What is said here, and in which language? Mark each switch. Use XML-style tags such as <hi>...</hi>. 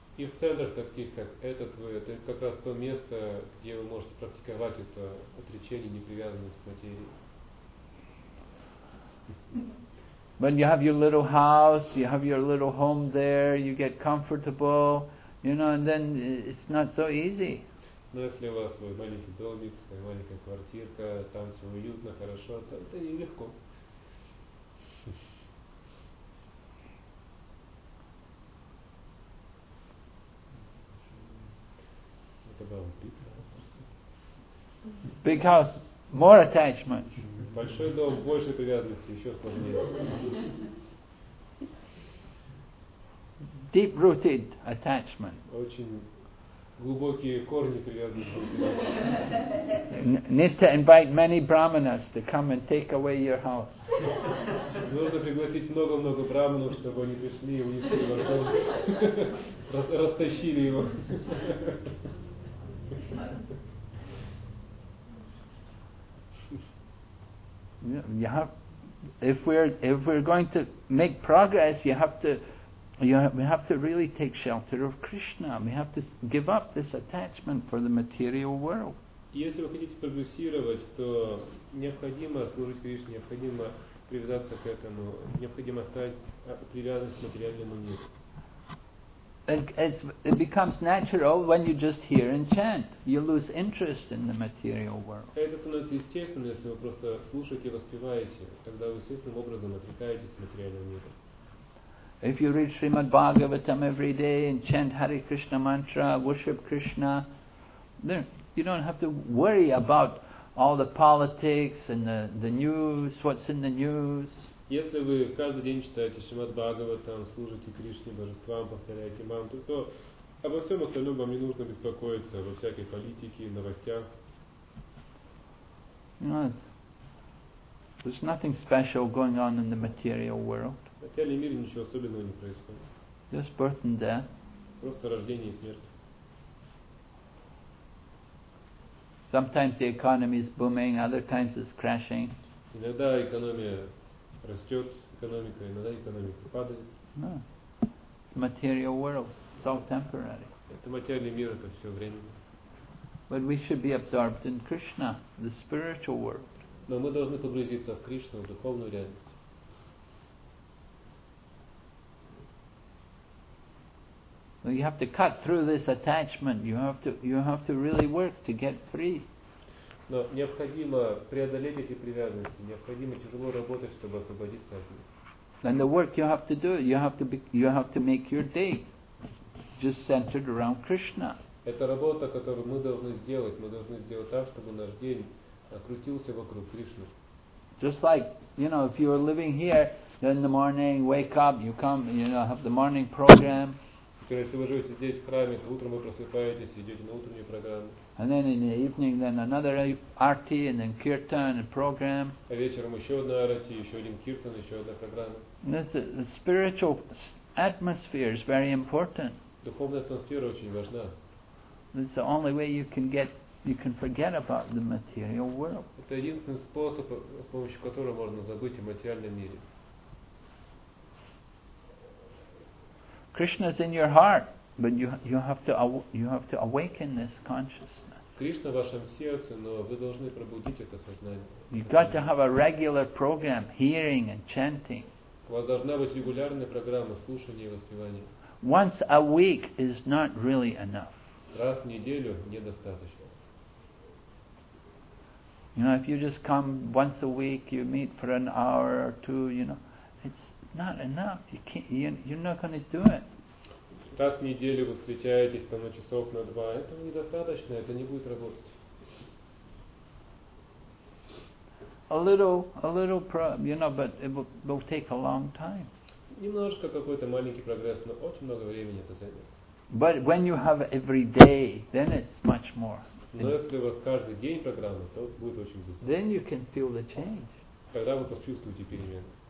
<ru>И в центрах таких как этот, это как раз то место, где вы можете практиковать это отречение, непривязанность к материи.</ru> <en>When you have your little house, you have your little home there, you get comfortable, you know, and then it's not so easy.</en> <ru>Но если у вас свой маленький домик, своя маленькая квартирка, там все уютно, хорошо, то это нелегко. Это был</ru> <en>big house. Big house, more attachment.</en> <ru>Большой дом, больше привязанности, еще сложнее.</ru> <en>Deep-rooted attachment.</en> <ru>Очень глубокие корни привязанности.</ru> <en>Need to invite many brahmanas to come and take away your house.</en> <ru>Нужно пригласить много-много брахманов, чтобы они пришли и унесли ваш дом, растащили его.</ru> <en>You have, if we're going to make progress, we have to really take shelter of Krishna. We have to give up this attachment for the material world.</en> <ru>Если вы хотите прогрессировать, то необходимо служить Кришне, необходимо привязаться к этому, необходимо оставить привязанность к материальному миру.</ru> <en>It becomes natural when you just hear and chant. You lose interest in the material world.</en> <ru>Это становится естественным, если вы просто слушаете и воспеваете, тогда вы естественным образом отвлекаетесь от материального мира.</ru> <en>If you read Srimad Bhagavatam every day and chant Hare Krishna mantra, worship Krishna, then you don't have to worry about all the politics and the news, what's in the news.</en> <ru>Если вы каждый день читаете Шримад Бхагаватам, служите Кришне, божествам, повторяете мантру, то обо всем остальном вам не нужно беспокоиться, во всякой политике, новостях.</ru> <en>No, there's nothing special going on in the material world.</en> <ru>В материальном мире ничего особенного не происходит.</ru> <en>Just birth and death.</en> <ru>Просто рождение и смерть.</ru> <en>Sometimes the economy is booming, other times it's crashing.</en> <ru>Иногда экономия растет экономика, иногда экономика падает.</ru> <en>No. It's material world. It's all temporary.</en> <ru>Это материальный мир, это все временно.</ru> <en>But we should be absorbed in Krishna, the spiritual world.</en> <ru>Но мы должны погрузиться в Кришну, в духовную реальность.</ru> <en>So you have to cut through this attachment. You have to really work to get free.</en> <ru>Но необходимо преодолеть эти привязанности, необходимо тяжело работать, чтобы освободиться от них.</ru> <en>And the work you have to do, you have to make your day just centered around Krishna.</en> <ru>Это работа, которую мы должны сделать. Мы должны сделать так, чтобы наш день окрутился вокруг Кришны.</ru> <en>Just like, you know, if you are living here, then in the morning wake up, you come, you know, have the morning program.</en> <ru>Если вы живете здесь в храме, то утром вы просыпаетесь и идете на утреннюю программу.</ru> <en>And then in the evening, then another arati, and then kirtan, a program.</en> <ru>А вечером еще одна арати, еще один киртан, еще одна программа.</ru> <en>This spiritual atmosphere is very important.</en> <ru>Духовная атмосфера очень важна.</ru> <en>This is the only way you can forget about the material world.</en> <ru>Это единственный способ, с помощью которого можно забыть о материальном мире.</ru> <en>Krishna is in your heart, but you have to awaken this consciousness.</en> <ru>Кришна в вашем сердце, но вы должны пробудить это сознание.</ru> <en>You've got to have a regular program, hearing and chanting.</en> <ru>У вас должна быть регулярная программа слушания и воспевания.</ru> <en>Once a week is not really enough.</en> <ru>Раз в неделю недостаточно.</ru> <en>You know, if you just come once a week, you meet for an hour or two, you know, it's not enough. You're not going to do it.</en> <ru>Раз в неделю вы встречаетесь там на часов на два, этого недостаточно, это не будет работать.</ru> <en>A little, but it will take a long time.</en> <ru>Немножко какой-то маленький прогресс, но очень много времени это займет.</ru> <en>But when you have every day, then it's much more.</en> <ru>Но если у вас каждый день программа, то будет очень быстро.</ru> <en>Then you can feel the change.</en> <ru>Тогда вы почувствуете перемены.</ru>